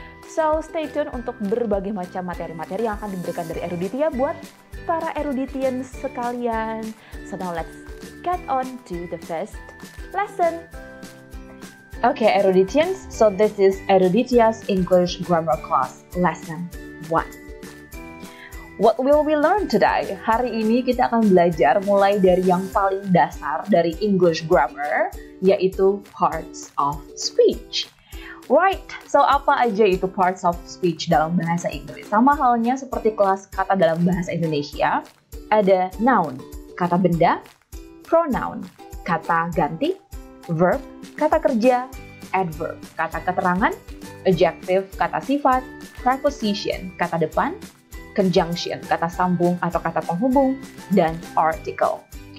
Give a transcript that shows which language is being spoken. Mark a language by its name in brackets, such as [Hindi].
[English] So stay tune [Indonesian] untuk berbagai macam materi-materi yang akan diberikan dari Eruditia buat para Eruditians sekalian. [English] So now let's get on to the first lesson. Okay, Eruditians, so this is Eruditia's English Grammar Class, Lesson 1. What will we learn today? [Indonesian] Hari ini kita akan belajar mulai dari yang paling dasar dari English Grammar, yaitu parts of speech. Right, so apa aja itu parts of speech dalam bahasa Inggris? Sama halnya seperti kelas kata dalam bahasa Indonesia, ada noun, kata benda, pronoun, kata ganti, verb, kata kerja, adverb, kata keterangan, adjective, kata sifat, preposition, kata depan, conjunction, kata sambung atau kata penghubung, dan article.